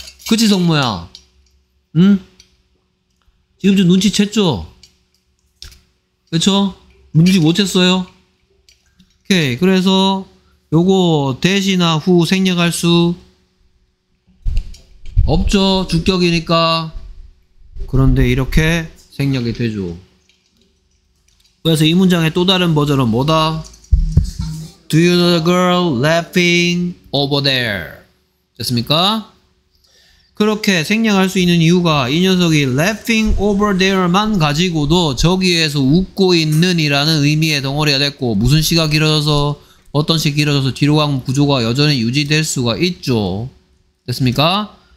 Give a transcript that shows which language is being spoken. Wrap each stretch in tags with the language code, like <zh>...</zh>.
<ko>그치 성모야? 응? 지금 좀 눈치챘죠. 그렇죠. 눈치 못 챘어요. 오케이. 그래서 요거 대시나 후 생략할 수 없죠. 주격이니까. 그런데 이렇게 생략이 되죠. 그래서 이 문장의 또 다른 버전은 뭐다?</ko> <en>Do you know the girl laughing over there?</en> <ko>됐습니까? 그렇게 생략할 수 있는 이유가 이 녀석이</ko> <en>laughing over there</en> <ko>만 가지고도 저기에서 웃고 있는 이라는 의미의 덩어리가 됐고 무슨 시가 길어져서 어떤 시 길어져서 뒤로 간 구조가 여전히 유지될 수가 있죠. 됐습니까?</ko>